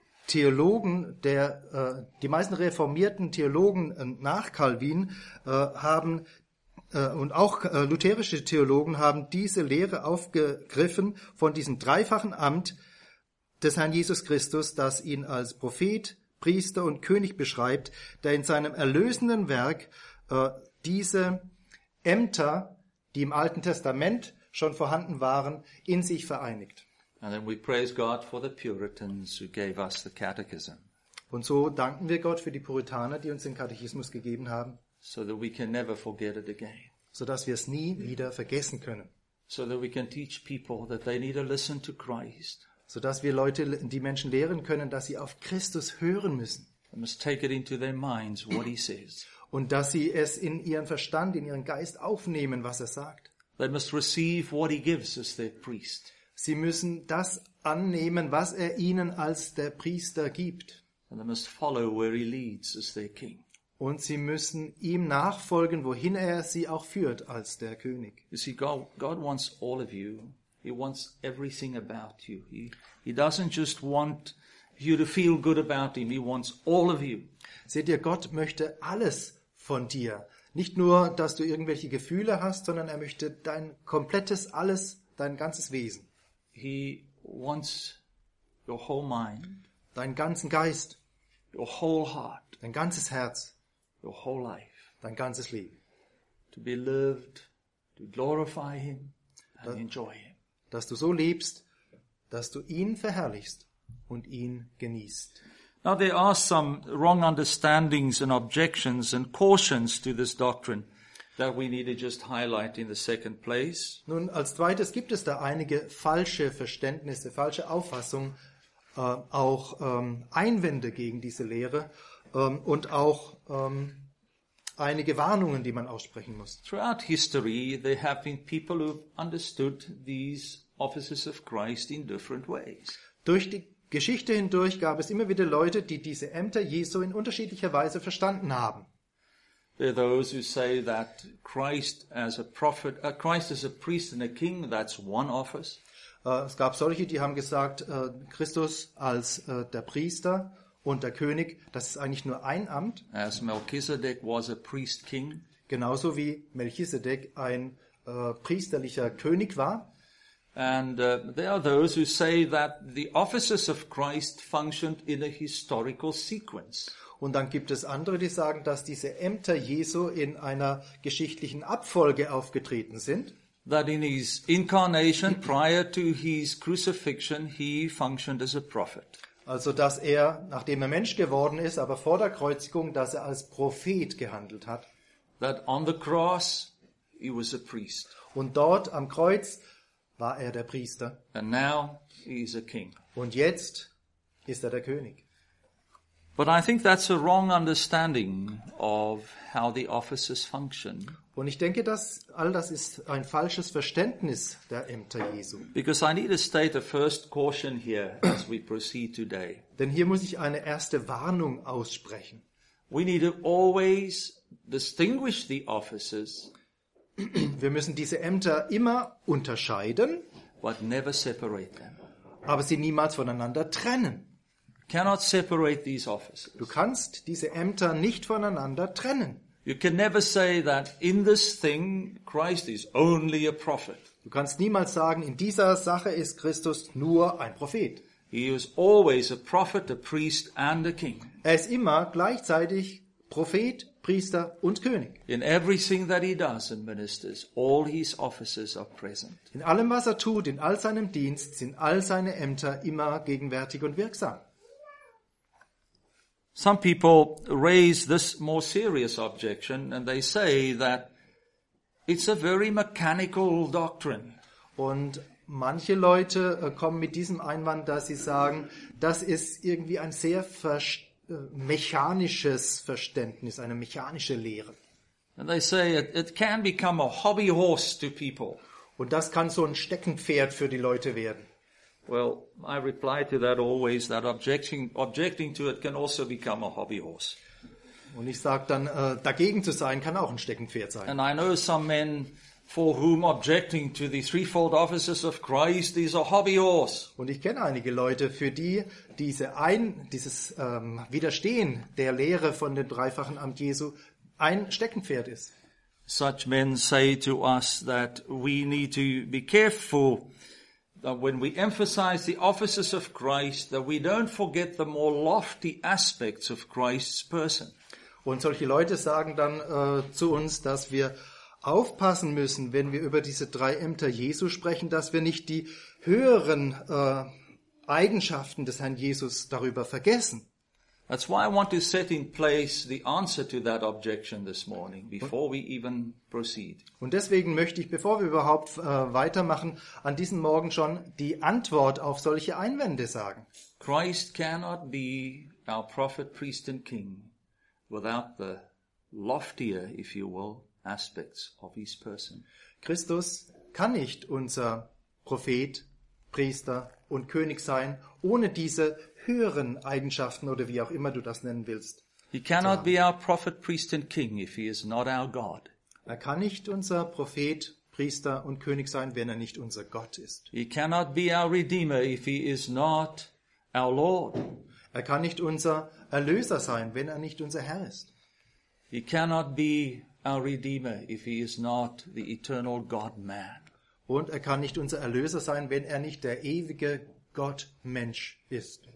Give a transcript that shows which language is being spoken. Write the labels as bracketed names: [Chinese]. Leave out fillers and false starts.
[German] Die meisten reformierten Theologen nach Calvin haben und auch lutherische Theologen haben diese Lehre aufgegriffen von diesem dreifachen Amt des Herrn Jesus Christus, das ihn als Prophet, Priester und König beschreibt, der in seinem erlösenden Werk diese Ämter, die im Alten Testament schon vorhanden waren, in sich vereinigt. [English] And then we praise God for the Puritans who gave us the catechism. [German] Und so danken wir Gott für die Puritaner, die uns den Katechismus gegeben haben. [English] So that we can never forget it again. [German] So dass wir es nie wieder vergessen können. [English] So that we can teach people that they need to listen to Christ. [German] So dass wir Leute, die Menschen lehren können, dass sie auf Christus hören müssen. [English] They must take it into their minds what he says. [German] Und dass sie es in ihren Verstand, in ihren Geist aufnehmen, was er sagt. [English] They must receive what he gives as their priest. [German] Sie müssen das annehmen, was er ihnen als der Priester gibt. [English] And they must follow where he leads as their king. [German] Und sie müssen ihm nachfolgen, wohin er sie auch führt als der König. [English] You see, God wants all of you. He wants everything about you. He doesn't just want you to feel good about him. He wants all of you. [German] Seht ihr, Gott möchte alles von dir. Nicht nur, dass du irgendwelche Gefühle hast, sondern er möchte dein komplettes alles, dein ganzes Wesen. [English] He wants your whole mind. [German] Deinen ganzen Geist. [English] Your whole heart. [German] Dein ganzes Herz. [English] Your whole life. [German] Dein ganzes Leben. [English] To be lived, to glorify him and enjoy him. [German] Dass du so lebst, dass du ihn verherrlichst und ihn genießt. [English] Now there are some wrong understandings and objections and cautions to this doctrine that we need to just highlight in the second place. [German] Nun, als zweites gibt es da einige falsche Verständnisse, falsche Auffassungen, Einwände gegen diese Lehre und auch einige Warnungen, die man aussprechen muss. [English] Throughout history, there have been people who understood these offices of Christ in different ways. [German] Durch die Geschichte hindurch gab es immer wieder Leute, die diese Ämter Jesu in unterschiedlicher Weise verstanden haben. [English] There are those who say that Christ as a prophet, Christ as a priest and a king, that's one office. [German] Es gab solche, die haben gesagt, Christus als der Priester und der König, das ist eigentlich nur ein Amt. [English] As Melchizedek was a priest king. [German] Genauso wie Melchizedek ein priesterlicher König war. [English] And there are those who say that the offices of Christ functioned in a historical sequence. [German] Und dann gibt es andere, die sagen, dass diese Ämter Jesu in einer geschichtlichen Abfolge aufgetreten sind. [English] That in his incarnation prior to his crucifixion he functioned as a prophet. [German] Also dass er, nachdem er Mensch geworden ist, aber vor der Kreuzigung, dass er als Prophet gehandelt hat. [English] That on the cross he was a priest. [German] Und dort am Kreuz war er der Priester. [English] And now he is a king. [German] Und jetzt ist er der König. [English] But I think that's a wrong understanding of how the offices function. [German] Und ich denke, dass all das ist ein falsches Verständnis der Ämter Jesu. [English] Because I need to state a first caution here as we proceed today. [German] Denn hier muss ich eine erste Warnung aussprechen. [English] We need to always distinguish the offices. [German] Wir müssen diese Ämter immer unterscheiden, [English] but never separate them. [German] Aber sie niemals voneinander trennen. [English] Cannot separate these offices. [German] Du kannst diese Ämter nicht voneinander trennen. [English] You can never say that in this thing Christ is only a prophet. [German] Du kannst niemals sagen, in dieser Sache ist Christus nur ein Prophet. [English] He is always a prophet, a priest and a king. [German] Er ist immer gleichzeitig Prophet, Priester und König. [English] In everything that he does and ministers, all his offices are present. [German] In allem, was er tut, in all seinem Dienst, sind all seine Ämter immer gegenwärtig und wirksam. [English] Some people raise this more serious objection and they say that it's a very mechanical doctrine. [German] Und manche Leute kommen mit diesem Einwand, dass sie sagen, das ist irgendwie ein sehr mechanisches Verständnis, eine mechanische Lehre. [English] And they say it can become a hobby horse to people. [German] Und das kann so ein Steckenpferd für die Leute werden. [English] Well, I reply to that always that objecting to it can also become a hobby horse. [German] Und ich sag dann dagegen zu sein kann auch ein Steckenpferd sein. [English] And I know some men for whom objecting to the threefold offices of Christ is a hobby horse. [German] Und ich kenne einige Leute, für die dieses Widerstehen der Lehre von dem dreifachen Amt Jesu ein Steckenpferd ist. [English] Such men say to us that we need to be careful that when we emphasize the offices of Christ, that we don't forget the more lofty aspects of Christ's person. [German] Und solche Leute sagen dann zu uns, dass wir aufpassen müssen, wenn wir über diese drei Ämter Jesu sprechen, dass wir nicht die höheren Eigenschaften des Herrn Jesus darüber vergessen. [English] That's why I want to set in place the answer to that objection this morning, before we even proceed. [German] Und deswegen möchte ich, bevor wir überhaupt weitermachen, an diesem Morgen schon die Antwort auf solche Einwände sagen. [English] Christ cannot be our prophet, priest and king without the loftier, if you will, aspects of his person. [German] Christus kann nicht unser Prophet, Priester und König sein, ohne diese höheren Eigenschaften oder wie auch immer du das nennen willst. [English] He cannot be our prophet, priest and king if he is not our God. [German] Er kann nicht unser Prophet, Priester und König sein, wenn er nicht unser Gott ist. [English] He cannot be our redeemer if he is not our Lord. [German] Er kann nicht unser Erlöser sein, wenn er nicht unser Herr ist. [English] He cannot be our redeemer if he is not the eternal God-man. [German] Und er kann nicht unser Erlöser sein, wenn er nicht der ewige Gott-Mensch ist.